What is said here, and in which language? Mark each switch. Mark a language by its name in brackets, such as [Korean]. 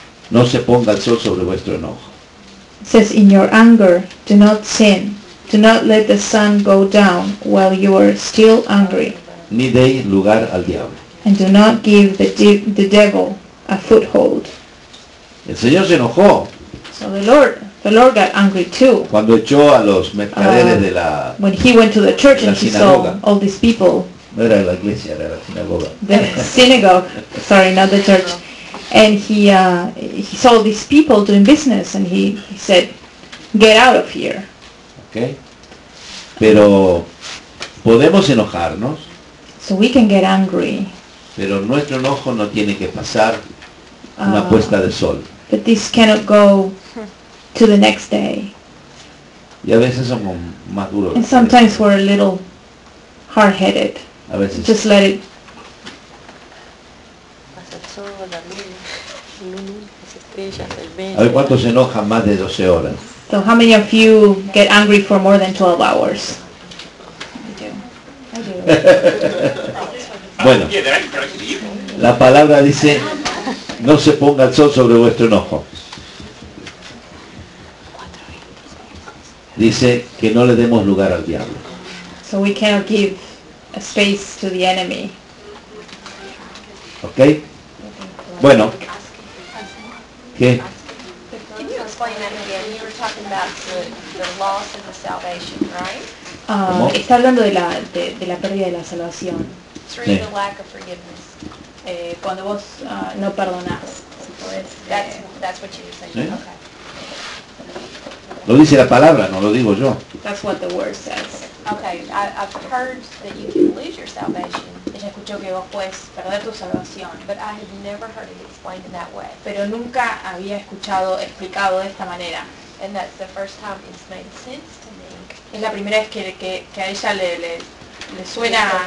[Spanish] No se ponga el sol sobre vuestro enojo. [English] It says, in your anger, do not sin. Do not let the sun go down while you are still angry. [Spanish] Ni deis lugar al diablo. [English] And do not give the devil a foothold. [Spanish] El Señor se enojó. [English] So the Lord got angry too. [Spanish] Cuando echó a los mercaderes de la [English] when he went to the church and he saw all these people. [Spanish] No era la iglesia, era la sinagoga. [English] The synagogue, sorry, not the church. And he saw these people doing business and he said, get out of here. [Spanish] Okay. Pero Podemos enojarnos. [English] So we can get angry. [Spanish] Pero nuestro enojo no tiene que pasar una puesta de sol. [English] But this cannot go to the next day. [Spanish] Y a veces somos más duros. [English] And sometimes we're a little hard-headed. [Spanish] A veces. [English] Just let it. [Spanish] A ver, ¿cuántos se enojan más de 12 horas? [English] So how many of you get angry for more than 12 hours? [Spanish] Bueno, la palabra dice, no se ponga el sol sobre vuestro enojo. Dice que no le demos lugar al diablo. [English] So we cannot give a space to the enemy. [Spanish] ¿Ok? Bueno. ¿Qué? [English] Can you explain that again? You were talking about the loss of the salvation, right? [Spanish] Está hablando de la pérdida de la salvación. [English] Through the lack of forgiveness. [Spanish] Cuando vos no perdonás. Si [English] that's what you were saying. [Spanish] ¿Sí? Okay. Lo dice la palabra, no lo digo yo. [English] That's what the word says. Okay, I've heard that you can lose your salvation. [Spanish] Ella escuchó que vos puedes perder tu salvación. [English] But I have never heard it explained in that way. [Spanish] Pero nunca había escuchado explicado de esta manera. [English] And that's the first time it's made sense to me. [Spanish] Es la primera vez que a ella le suena,